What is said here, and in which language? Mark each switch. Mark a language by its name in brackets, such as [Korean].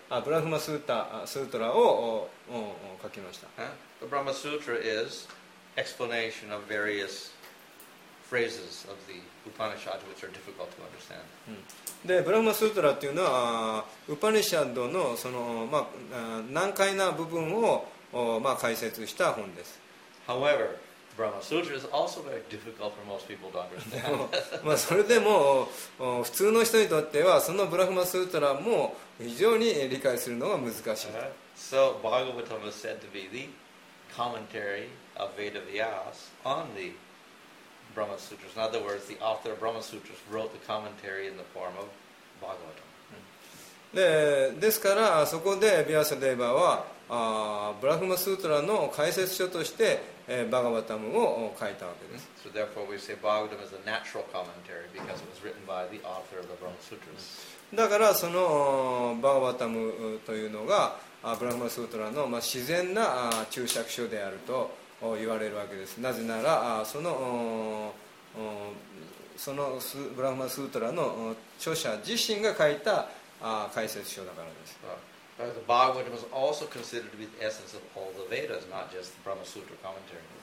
[Japanese] ラ、ブラフマスータスートラを書きました。 [English] The Brahma Sutra is explanation of various phrases of the Upanishads which are difficult to understand。 [Japanese] でブラフマスートラというのはウパニシャッド その、まあ、難解な部分を、まあ、解説した本です。 [English] However, Brahma Sutra is also very difficult for most people to understand. [Japanese] まあそれでも普通の人にとってはそのブラフマスートラも非常に理解するのが難しい。 [English] So Bhagavatam is said to be the commentary of Veda Vyas on theBrahma Sutras. In other words, the author of Brahma Sutras wrote the commentary in the form of Bhagavatam. [Japanese] で、ですからそこでヴィアサデーバはブラフマスートラの解説書としてバガバタムを書いたわけです。 [English] So therefore we say Bhagavatam is a natural commentary because it was written by the author of the Brahma Sutras. [Japanese] だからそのバガバタムというのがブラフマスートラの、まあ、自然な注釈書であると言われるわけです。なぜならそのブラフマスートラの著者自身が書いた解説書だからです。 [English] The Bhagavatam is also considered to be the essence of all the Vedas, not just the Brahma Sutra commentary.